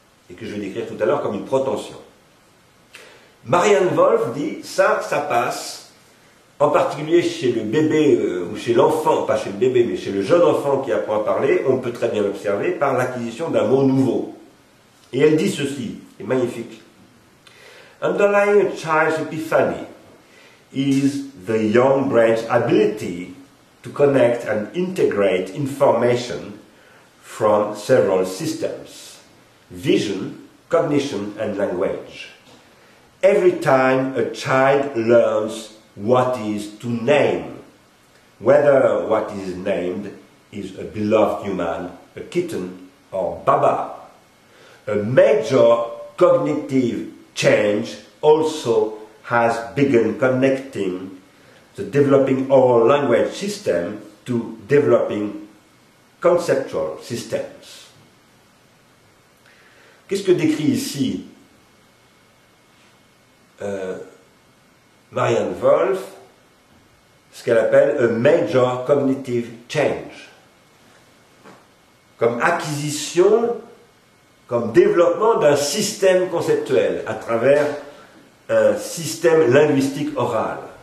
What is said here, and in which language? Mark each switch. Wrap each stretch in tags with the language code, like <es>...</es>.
<fr>Et que je vais décrire tout à l'heure comme une protension. Marianne Wolf dit, ça, ça passe, en particulier chez le bébé, ou chez l'enfant, pas chez le bébé, mais chez le jeune enfant qui apprend à parler, on peut très bien l'observer, par l'acquisition d'un mot nouveau. Et elle dit ceci, c'est magnifique.</fr> <en>Underlying a child's epiphany is the young brain's ability to connect and integrate information from several systems. Vision, cognition and language. Every time a child learns what is to name, whether what is named is a beloved human, a kitten or Baba, a major cognitive change also has begun connecting the developing oral language system to developing conceptual systems.</en> <fr>Qu'est-ce que décrit ici Marianne Wolf, ce qu'elle appelle «</fr> <en>a major cognitive change</en> <fr>» comme acquisition, comme développement d'un système conceptuel à travers un système linguistique oral.</fr>